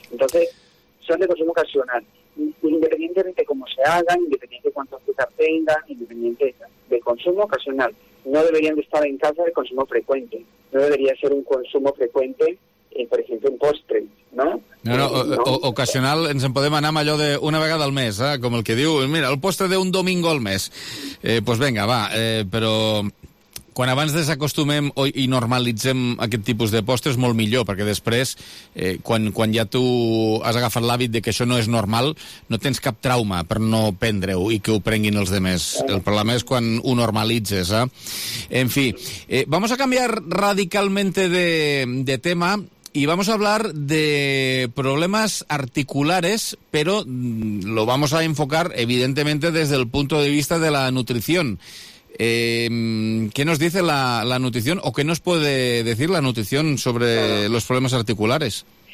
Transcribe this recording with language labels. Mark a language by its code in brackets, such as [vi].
[es] Entonces, son de consumo ocasional. Independientemente de cómo se hagan, independiente de cuánto azúcar tengan, independiente de consumo ocasional, no deberían de estar en casa de consumo frecuente. No debería ser un consumo frecuente, por ejemplo, un postre, ¿no? No. [ca] Ocasional, ens en podem anar amb allò d'una vegada al mes, com el que diu, mira, el postre d'un domingo al mes. [es] Pues venga, [ca] va, però... Quan abans desacostumem i normalitzem aquest tipus de postres, molt millor, perquè després, quan ja tu has agafat l'hàbit de que això no és normal, no tens cap trauma per no prendre-ho i que ho prenguin els demés. El problema és quan ho normalitzes, eh? [es] En fi, vamos a cambiar radicalmente de tema y vamos a hablar de problemas articulares, pero lo vamos a enfocar, evidentemente, desde el punto de vista de la nutrición. ¿Qué nos dice la nutrición o qué nos puede decir la nutrición sobre los problemas articulares?